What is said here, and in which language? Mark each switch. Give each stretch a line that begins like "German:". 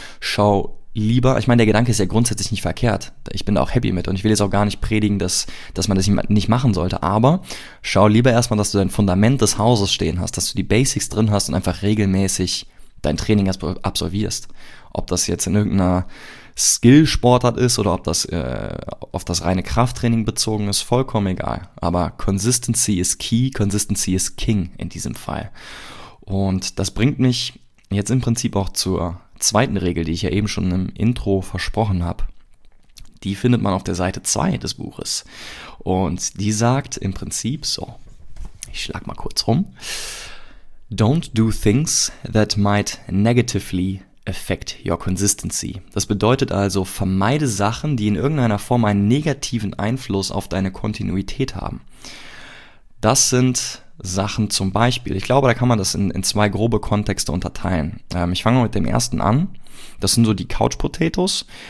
German: Schau lieber, ich meine, der Gedanke ist ja grundsätzlich nicht verkehrt. Ich bin da auch happy mit und ich will jetzt auch gar nicht predigen, dass man das nicht machen sollte. Aber schau lieber erstmal, dass du dein Fundament des Hauses stehen hast, dass du die Basics drin hast und einfach regelmäßig dein Training absolvierst. Ob das jetzt in irgendeiner Skill-Sportart ist oder ob das auf das reine Krafttraining bezogen ist, vollkommen egal. Aber
English: Consistency is key, Consistency is king
German: in diesem Fall. Und das bringt mich jetzt im Prinzip auch zur zweiten Regel, die ich ja eben schon im Intro versprochen habe. Die findet man auf der Seite 2 des Buches. Und die sagt im Prinzip so, ich schlag mal kurz rum.
English: Don't do things that might negatively affect your consistency.
German: Das bedeutet also, vermeide Sachen, die in irgendeiner Form einen negativen Einfluss auf deine Kontinuität haben. Das sind Sachen zum Beispiel, ich glaube, da kann man das in zwei grobe Kontexte unterteilen. Ich fange mal mit dem ersten an. Das sind so die Couch-Potatoes.